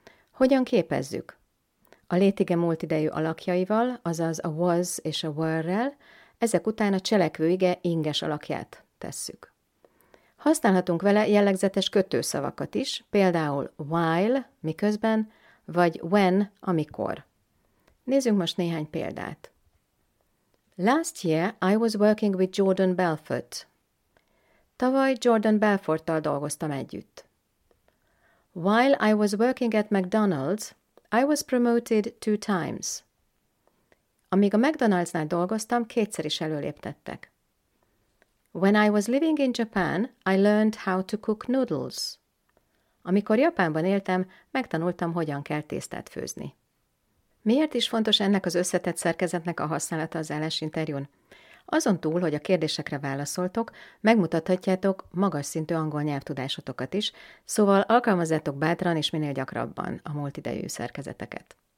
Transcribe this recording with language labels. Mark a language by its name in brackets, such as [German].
[Hungarian] Hogyan képezzük? A létige múltidejű alakjaival, azaz a was és a were-rel, ezek után a cselekvőige inges alakját tesszük. Használhatunk vele jellegzetes kötőszavakat is, például while, miközben, vagy when, amikor. Nézzünk most néhány példát. [English] Last year I was working with Jordan Belfort. [Hungarian] Tavaly Jordan Belforttal dolgoztam együtt. [English] While I was working at McDonald's, I was promoted 2 times. [Hungarian] Amíg a McDonald's-nál dolgoztam, 2-szer is előléptettek. [English] When I was living in Japan, I learned how to cook noodles. [Hungarian] Amikor Japánban éltem, megtanultam, hogyan kell tésztát főzni. Miért is fontos ennek az összetett szerkezetnek a használata az állásinterjún? Azon túl, hogy a kérdésekre válaszoltok, megmutathatjátok magas szintű angol nyelvtudásotokat is, szóval alkalmazzátok bátran és minél gyakrabban a múltidejű szerkezeteket.